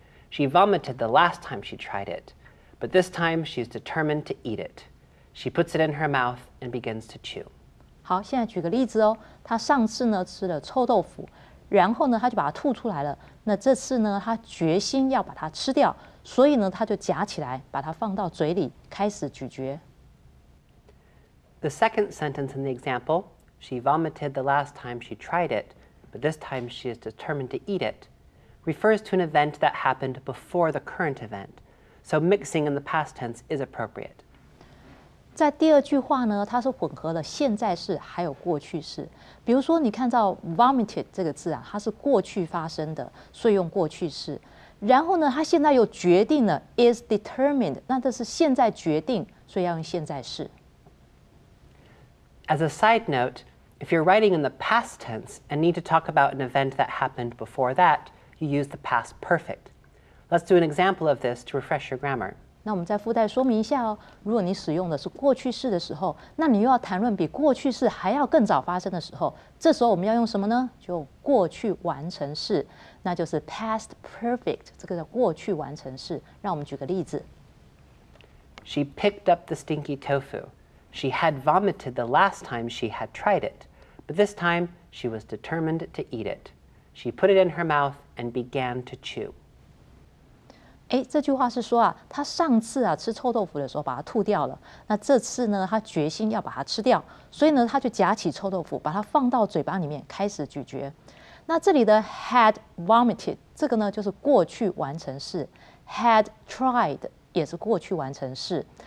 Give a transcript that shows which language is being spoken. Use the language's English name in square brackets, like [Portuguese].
[English] She vomited the last time she tried it, but this time she's determined to eat it. She puts it in her mouth and begins to chew. [Chinese] 好，现在举个例子哦。她上次呢吃了臭豆腐，然后呢她就把它吐出来了。那这次呢她决心要把它吃掉，所以呢她就夹起来，把它放到嘴里，开始咀嚼。 [English] The second sentence in the example, she vomited the last time she tried it. But this time she is determined to eat it, refers to an event that happened before the current event. So mixing in the past tense is appropriate. [Chinese] 在第二句话呢，它是混合了现在式还有过去式。比如说你看到 vomited 这个字啊，它是过去发生的，所以用过去式。然后呢，它现在又决定了 [English] is determined， [Chinese] 那这是现在决定，所以要用现在式。 [English] As a side note, if you're writing in the past tense and need to talk about an event that happened before that, you use the past perfect. Let's do an example of this to refresh your grammar. [Chinese] 那我们再附带说明一下哦，如果你使用的是过去式的时候，那你又要谈论比过去式还要更早发生的时候，这时候我们要用什么呢？就过去完成式，那就是 [English] past perfect， [Chinese] 这个叫过去完成式。让我们举个例子。 [English] She picked up the stinky tofu. She had vomited the last time she had tried it, but this time she was determined to eat it. She put it in her mouth and began to chew. [Chinese] 这句话是说啊，她上次啊吃臭豆腐的时候把它吐掉了，那这次呢，她决心要把它吃掉，所以呢，她就夹起臭豆腐，把它放到嘴巴里面开始咀嚼。那这里的 [English] had vomited [Chinese] 这个呢，就是过去完成式 ， [English] had tried [Chinese] 也是过去完成式。